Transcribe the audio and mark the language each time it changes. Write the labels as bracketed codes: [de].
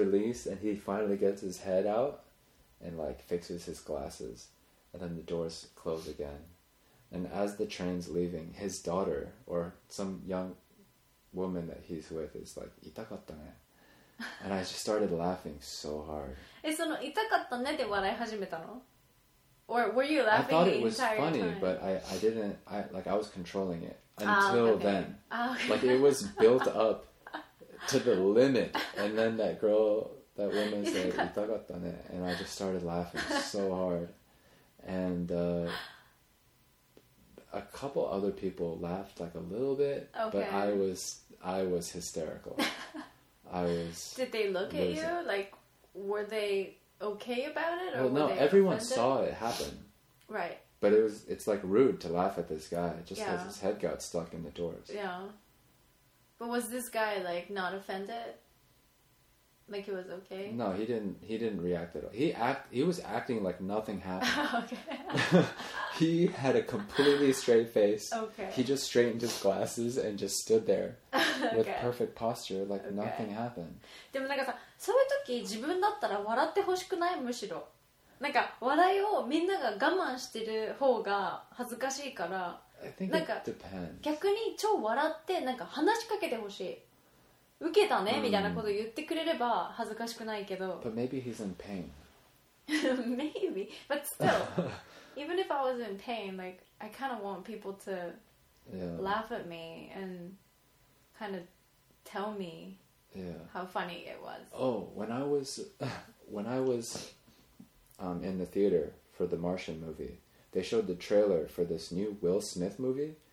[en] Release and he finally gets his head out and like fixes his glasses, and then the doors close again. And as the train's leaving, his daughter or some young woman that he's with is like, [ja] "Itakatta ne." [en] And I just started laughing so hard. [ja] その痛かったねで笑い始めたの? [en] Or were you laughing I thought it the entire was funny, time? But I didn't, I like I was controlling it until okay. then. Okay. Like it was built up to the limit. And then that woman said, [ja] "Itakatta ne." [en] And I just started laughing so hard. And a couple other people laughed like a little bit, okay. but I was hysterical. I was. Did they look at you? Like, were they okay about it? Or well, no. Everyone saw it happen. Right. But it was. It's like rude to laugh at this guy just because his head got stuck in the doors. Yeah. But was this guy like not offended? Like he was okay? No, he didn't. He didn't react at all. He was acting like nothing happened. Okay. He had a completely straight face. Okay. He just straightened his glasses and just stood there okay. with perfect posture, like okay. nothing happened. [ja] でもなんかさ、そういう時自分だったら笑ってほしくない?むしろ。なんか笑いをみんなが我慢してる方が恥ずかしいから。 [en] I think [ja] なんか [en] it depends. [ja] 逆に超笑ってなんか話しかけてほしい。受けたねみたいなこと言ってくれれば恥ずかしくないけど。 [en] But maybe he's in pain. maybe, but still, even if I was in pain, like I kind of want people to laugh at me and kind of tell me how funny it was. Oh, when I was in the theater for the Martian movie, they showed the trailer for this new Will Smith movie.